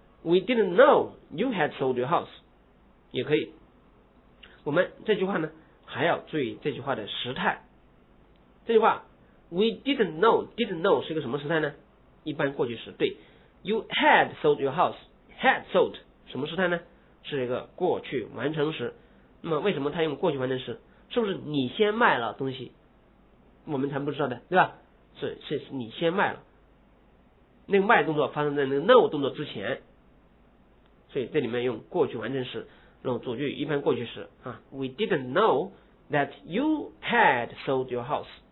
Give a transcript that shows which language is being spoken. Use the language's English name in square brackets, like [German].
[English] We didn't know you had sold your house， [Chinese] 也可以。我们这句话呢，还要注意这句话的时态。这句话 ， [English] We didn't know， didn't know [Chinese] 是一个什么时态呢？一般过去时。 [English] 对 ，You had sold your house， had sold [Chinese] 什么时态呢？是一个过去完成时。那么为什么他用过去完成时？是不是你先卖了东西，我们才不知道的，对吧？是你先卖了。那个卖动作发生在那个 know 动作之前，所以这里面用过去完成时。那种主句一般过去时啊 [English] ，We didn't know that you had sold your house。